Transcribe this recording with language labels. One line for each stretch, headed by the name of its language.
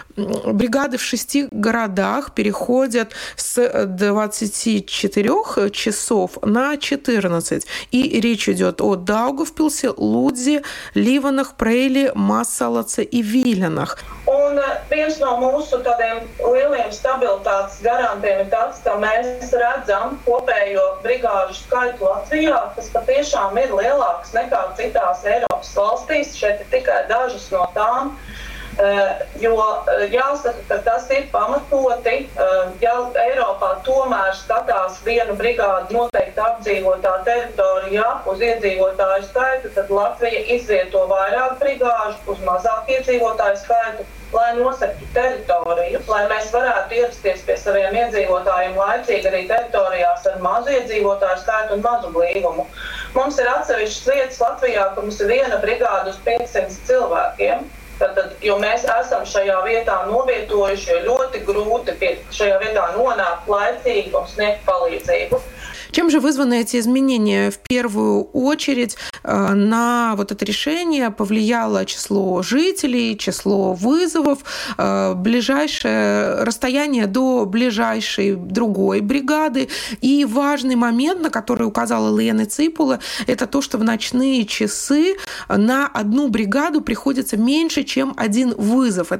Russian: Бригады в 6 городах переходят с 24 часов на 14, и речь идет о Даугавпилсе, Лудзе, Ливанах, Прейли, Массалаце и Виленах.
Latvian: Lieliem stabilitātes garantiem ir tas, ka mēs redzam kopējo brigāžu skaitu Latvijā, kas patiešām ir lielāks nekā citās Eiropas valstīs. Šeit ir tikai dažas no tām, jo jāsaka, ka tas ir pamatoti. Ja Eiropā tomēr skatās vienu brigādu noteikti apdzīvotā teritorijā uz iedzīvotāju skaitu, tad Latvija izvieto vairāk brigāžu uz mazāk iedzīvotāju skaitu, lai nosektu teritoriju, lai mēs varētu ierasties pie saviem iedzīvotājiem laicīgi arī teritorijās ar mazu iedzīvotāju skaitu un mazu blīvumu. Mums ir atsevišķas vietas Latvijā, ka mums ir viena brigāda uz 500 cilvēkiem, tad, jo mēs esam šajā vietā novietojuši, jo ļoti grūti pie šajā vietā nonākt laicīgi un sniegt palīdzību.
Russian: Чем же вызваны эти изменения? В первую очередь на вот это решение повлияло число жителей, число вызовов, ближайшее расстояние до ближайшей другой бригады. И важный момент, на который указала Лена Ципола, это то, что в ночные часы на одну бригаду приходится меньше, чем один вызов.